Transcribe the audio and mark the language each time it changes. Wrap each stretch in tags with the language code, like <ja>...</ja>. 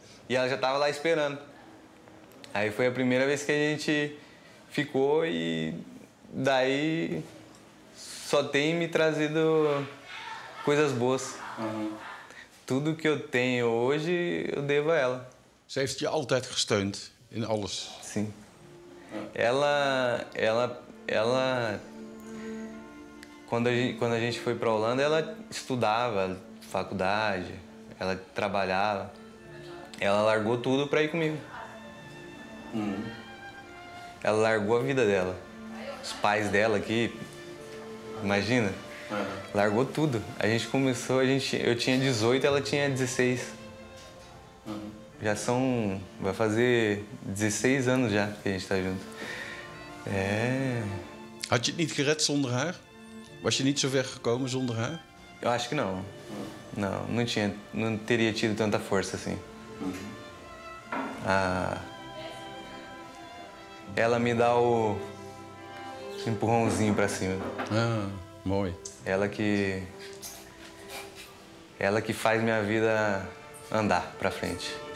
<pt>E ela já tava lá esperando. Aí foi a primeira vez que a gente ficou e daí só tem me trazido coisas boas. Tudo que eu tenho hoje, eu devo a ela.</pt> <nl>Ze heeft je altijd gesteund in alles.</nl> <pt>Sim. Ela quando a gente foi para Holanda, ela estudava, faculdade, ela trabalhava. Ela largou tudo para ir comigo. Ela largou a vida dela, os pais dela aqui, imagina, largou tudo. A gente começou, eu tinha 18, ela tinha 16. Já são, vai fazer 16 anos já que a gente tá junto. É.</pt> <nl>Had je het niet gered zonder haar? Was je niet zo ver gekomen zonder haar?</nl> <pt>Eu acho que não. Não, não tinha, não teria tido tanta força assim. Ela me dá o empurrãozinho pra cima.</pt> <nl>Ah, mooi.</nl> <pt>Ela que faz minha vida andar pra frente.</pt>